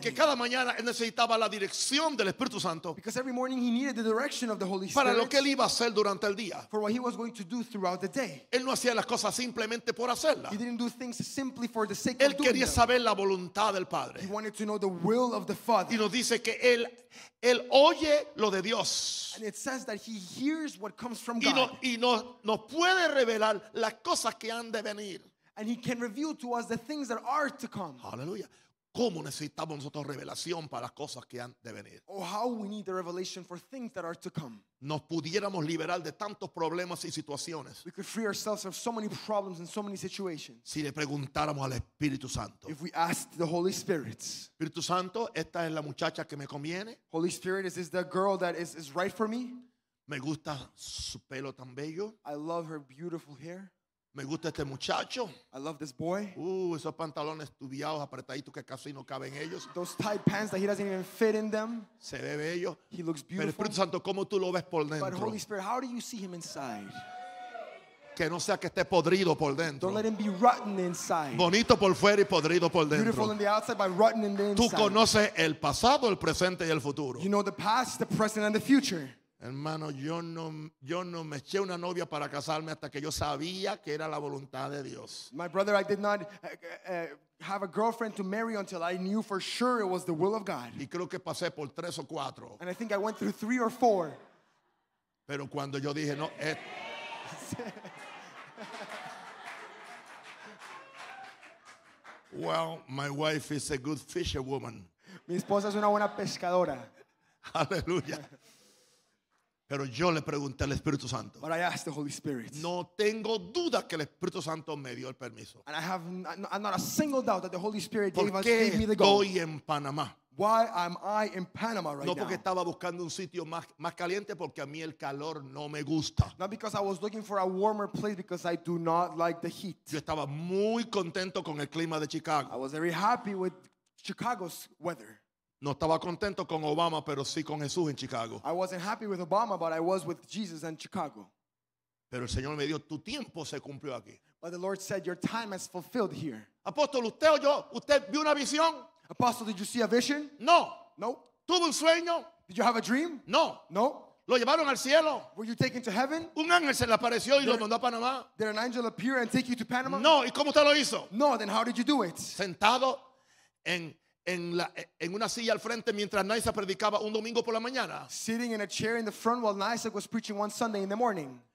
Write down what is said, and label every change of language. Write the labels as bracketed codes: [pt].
[es] Porque cada mañana él necesitaba la dirección del Espíritu Santo. [en] Because every morning he needed the direction of the Holy Spirit. [es] Para lo que él iba a hacer durante el día. [en] For what he was going to do throughout the day. [es] Él no hacía las cosas simplemente por hacerlas. [en] He didn't do things simply for the sake of doing them. [es] Él quería saber la voluntad del Padre. [en] He wanted to know the will of the Father. [es] Y nos dice que él oye lo de Dios. [en] And it says that he hears what comes from God. [es] Y nos puede revelar las cosas que han de venir. [en] And he can reveal to us the things that are to come. [es] Aleluya. ¿Cómo necesitamos nosotros revelación para las cosas que han de venir? [en] Oh, how we need the revelation for things that are to come. [es] Nos pudiéramos liberar de tantos problemas y situaciones. [en] We could free ourselves of so many problems and so many situations. [es] Si le preguntáramos al Espíritu Santo. [en] If we asked the Holy Spirit. [es] Espíritu Santo, esta es la muchacha que me conviene. [en] Holy Spirit, is this the girl that is right for me? [es] Me gusta su pelo tan bello. [en] I love her beautiful hair. [es] Me gusta este muchacho. [en] I love this boy. [es] Esos pantalones tubiados apretaditos que casi no caben ellos. [en] Those tight pants that he doesn't even fit in them. [es] Se ve bello. [en] He looks beautiful. [es] Pero Espíritu Santo, ¿cómo tú lo ves por dentro? [en] But Holy Spirit, how do you see him inside? [es] Que no sea que esté podrido por dentro. [en] Don't let him be rotten inside. [es] Bonito por fuera y podrido por dentro. [en] Beautiful on the outside, but rotten in the inside. [es] Tú conoces el pasado, el presente y el futuro. [en] You know the past, the present, and the future. [es] Hermano, yo no me eché una novia para casarme hasta que yo sabía que era la voluntad de Dios. [en] My brother, I did not have a girlfriend to marry until I knew for sure it was the will of God. [es] Y creo que pasé por tres o cuatro. [en] And I think I went through three or four. [es] Pero cuando yo dije no, [en] well, my wife is a good fisherwoman. [es] Mi esposa es una buena pescadora. Aleluya. Pero yo le pregunté al Espíritu Santo. [en] But I asked the Holy Spirit. [es] No tengo duda que el Espíritu Santo me dio el permiso. [en] And I have not a single doubt that the Holy Spirit gave us, gave me the go. [es] Estoy en Panamá. [en] Why am I in Panama right [es] now? No porque estaba buscando un sitio más caliente porque a mí el calor no me gusta. [en] Not because I was looking for a warmer place because I do not like the heat. [es] Yo estaba muy contento con el clima de Chicago. [en] I was very happy with Chicago's weather. [es] No estaba contento con Obama, pero sí con Jesús en Chicago. [en] I wasn't happy with Obama, but I was with Jesus in Chicago. [es] Pero el Señor me dijo, tu tiempo se cumplió aquí. [en] But the Lord said, your time is fulfilled here. [es] Apóstol, ¿usted o yo? ¿Usted vio una visión? [en] Apostle, did you see a vision? [es] No. [en] No. [es] ¿Tuvo un sueño? [en] Did you have a dream? [es] No. [en] No. [es] ¿Lo llevaron al cielo? [en] Were you taken to heaven? [es] Un ángel se le apareció y lo mandó a Panamá. [en] Did an angel appear and take you to Panama? [es] No. ¿Y cómo usted lo hizo? [en] No. Then how did you do it? [es] Sentado en una silla al frente mientras Nysa predicaba un domingo por la mañana. [en] Sitting in a chair in the front while Nysa was preaching one Sunday in the morning.